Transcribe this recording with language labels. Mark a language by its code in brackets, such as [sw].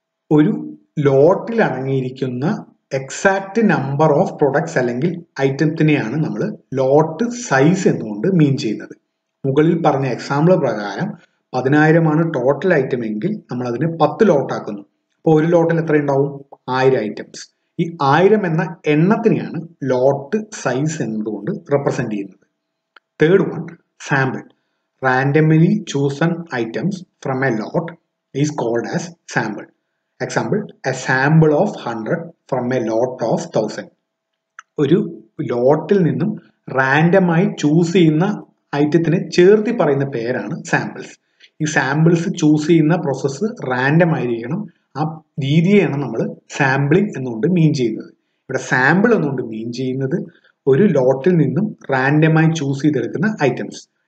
[ml] ഒരു ലോട്ടിൽ അടങ്ങിയിരിക്കുന്ന exact number of products അല്ലെങ്കിൽ ഐറ്റത്തിനെയാണ് നമ്മൾ ലോട്ട് സൈസ് എന്നുകൊണ്ട് മീൻ ചെയ്യുന്നത്. മുകളിൽ പറഞ്ഞ എക്സാമ്പിൾ പ്രകാരം 10,000 ടോട്ടൽ ഐറ്റം എങ്കിൽ നമ്മൾ അതിനെ 10 ലോട്ടാക്കുന്നു. അപ്പോൾ ഒരു ലോട്ടിൽ എത്ര ഉണ്ടാവും? 1,000 ഐറ്റംസ്. ഈ 1,000 എന്ന എണ്ണത്തിനെയാണ് ലോട്ട് സൈസ് എന്നതുകൊണ്ട് റെപ്രസെൻറ്റ് ചെയ്യുന്നത്. [en] Third one, sample. Randomly chosen items from a lot is called as sample. Example, a sample of 100 from a lot of 1,000. [ml] ഒരു ലോട്ടിൽ നിന്നും റാൻഡമായി ചൂസ് ചെയ്യുന്ന ഐറ്റത്തിന് ചേർത്തി പറയുന്ന പേരാണ് സാമ്പിൾസ്. ഈ സാമ്പിൾസ് ചൂസ് ചെയ്യുന്ന പ്രോസസ്സ് റാൻഡം ആയിരിക്കണം. ആ രീതിയാണ് നമ്മൾ സാമ്പിളിംഗ് എന്നുകൊണ്ട് മീൻ ചെയ്യുന്നത്. ഇവിടെ സാമ്പിൾ എന്നുകൊണ്ട് മീൻ ചെയ്യുന്നത് ഒരു ലോട്ടിൽ നിന്നും റാൻഡമായി ചൂസ് ചെയ്തെടുക്കുന്ന ഐറ്റംസ്.